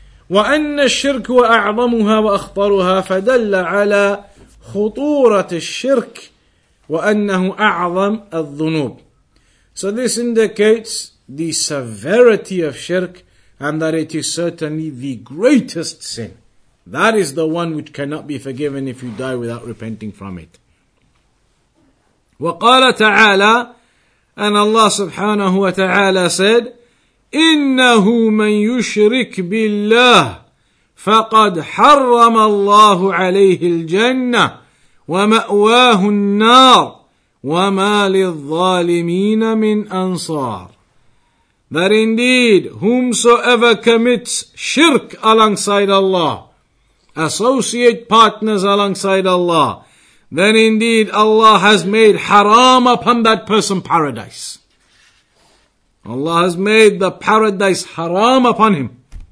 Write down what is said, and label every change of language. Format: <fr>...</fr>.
<ar>وَأَنَّ الشِّرْكُ وَأَعْظَمُهَا وَأَخْطَرُهَا فَدَلَّ عَلَى خُطُورَةِ الشِّرْكِ وَأَنَّهُ أَعْظَمْ الظُّنُوبِ.</ar> <en>So this indicates the severity of shirk and that it is certainly the greatest sin. That is the one which cannot be forgiven if you die without repenting from it.</en> <ar>وَقَالَ تَعَالَى.</ar> <en>And Allah subhanahu wa ta'ala said,</en> <ar>إِنَّهُ مَنْ يُشْرِكْ بِاللَّهِ فَقَدْ حَرَّمَ اللَّهُ عَلَيْهِ الْجَنَّةِ وَمَأْوَاهُ النَّارِ وَمَا لِلظَّالِمِينَ مِنْ أَنصَارِ.</ar> <en>That indeed, whomsoever commits shirk alongside Allah, associate partners alongside Allah, then indeed Allah has made haram upon that person paradise. Allah has made the paradise haram upon him.</en>